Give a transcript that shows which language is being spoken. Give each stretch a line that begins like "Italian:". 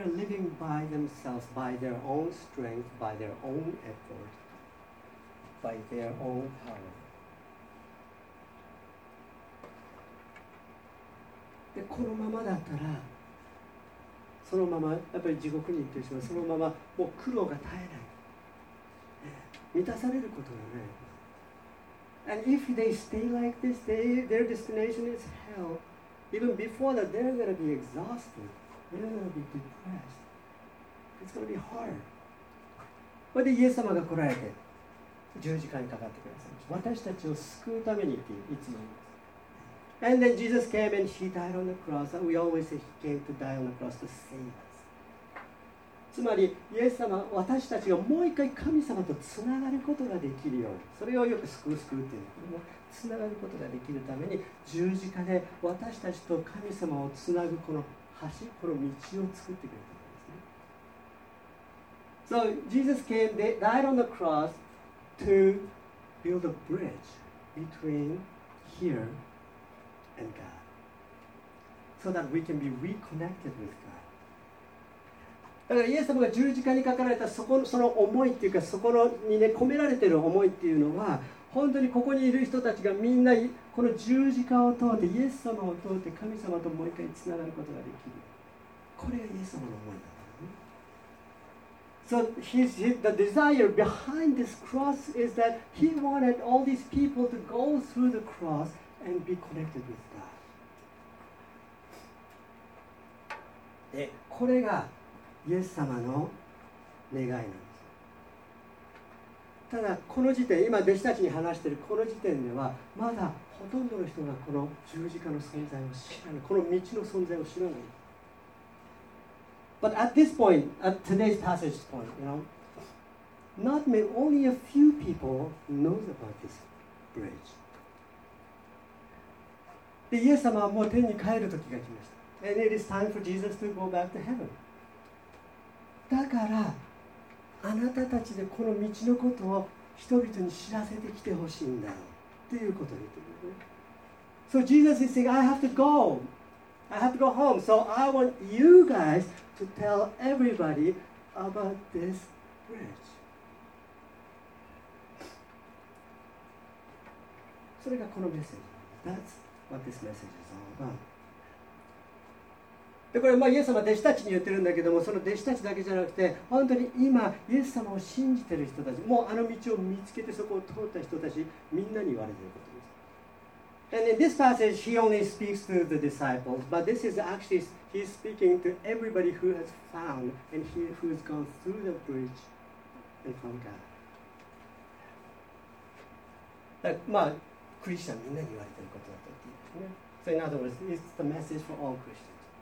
English: They are living by themselves, by their own strength, by their own effort, by their own power.
Japanese: で、このままだったら、そのままやっぱり地獄に行ってしまう。そのままもう苦労が絶えない。満たされることがない。
English: And if they stay like this, their destination is hell. Even before that, they're going to be exhausted. They're going to be depressed. It's going to be hard.
Japanese: これでイエス様が来られて十字架にかかってください。私たちを救うためにって言っています。
English: And then Jesus came and he died on the cross. And we always say he came to die on the cross to save us.
Japanese: つまりイエス様、私たちがもう一回神様とつながることができるように、それをよく救う救うっていう。つながることができるために十字架で私たちと神様をつなぐこの橋、この道を作ってくれたんですね。
English: So Jesus came, they died on the cross to build a bridge between here and God so that we can be reconnected with God.
Japanese: だからイエス様が十字架にかかられたそこのその思いっていうか、そこのにね込められている思いっていうのは、本当にここにいる人たちがみんなこの十字架を通ってイエス様を通って神様ともう一回つながることができる。これがイエス様の思いだったね。
English: So his, the desire behind this cross is that he wanted all these people to go through the cross and be connected with God.
Japanese: で、これがイエス様の願いなんです。ただこの時点、今弟子たちに話しているこの時点ではまだほとんどの人がこの十字架の存在を知らない、この道の存在を知らない。
English: But at this point, at today's passage point, you know, not many, only a few people knows about this bridge.
Japanese: で、イエス様はもう天に帰る時が来ました。
English: And it is time for Jesus to go back to heaven.
Japanese: だからあなたたちでこの道のことを人々に知らせてきてほしいんだということで言ってる。
English: So Jesus is saying, I have to go. I have to go home. So I want you guys to tell everybody about this bridge.
Japanese: それがこのメッセージ。
English: That's what this message is all about.
Japanese: でこれまあイエス様は弟子たちに言ってるんだけども、その弟子たちだけじゃなくて、本当に今イエス様を信じてる人たち、もうあの道を見つけてそこを通った人たち、みんなに言われてることです。
English: And in this passage he only speaks to the disciples, but this is actually he's speaking to everybody who has found and he who's gone through the bridge and found God.
Japanese: まあクリスチャンみんなに言われてることだったっていう。
English: So in other words, it's the message for all Christians.